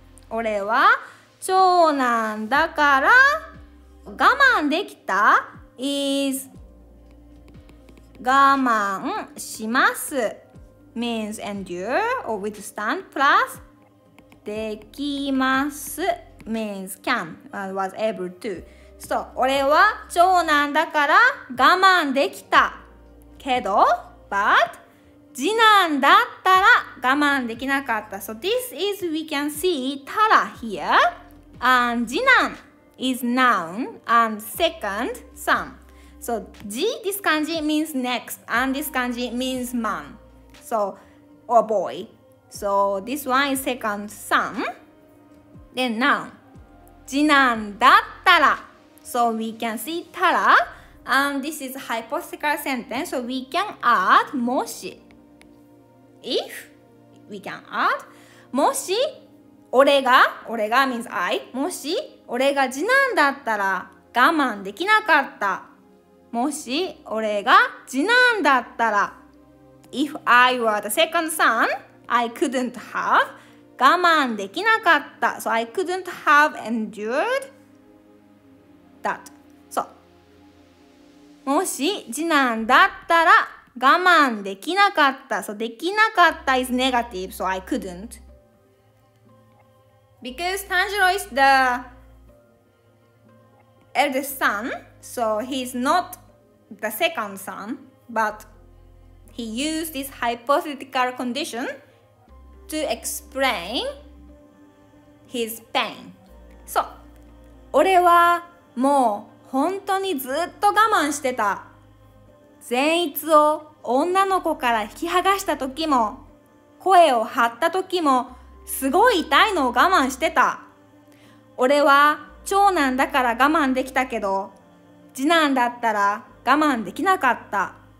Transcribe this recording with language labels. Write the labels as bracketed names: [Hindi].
[Japanese] 俺は長男だから我慢できた [English] is 我慢します means endure or withstand plus できます means can and was able to. [Japanese] So, 俺は長男だから我慢できたけど [English] but [Japanese] 次男だったら我慢できなかった。 [English] So this is we can see たら here. And 次男 is noun and second son. So 次 this kanji means next and this kanji means man. So or boy. So this one is second son. Then noun. 次男だったら.So we can see たら. And this is hypothetical sentence. So we can add もし. If we can add, もし俺が means I, もし [Japanese] 俺が次男だったら我慢できなかった。もし俺が次男だったら [English] If I were the second son, I couldn't have [Japanese] 我慢できなかった。 [English] So I couldn't have endured that. [Japanese] So もし次男だったら我慢できなかった。 [English] So できなかった is negative. So I couldn't. Because Tanjiro is the eldest son, so he's not the second son, but he used this hypothetical condition to explain his pain. So, [Japanese] 俺はもう本当にずっと我慢してた。善逸を女の子から引き剥がした時も、声を張った時も、すごい痛いのを我慢してた。俺は長男だから我慢できたけど、次男だったら我慢できなかった。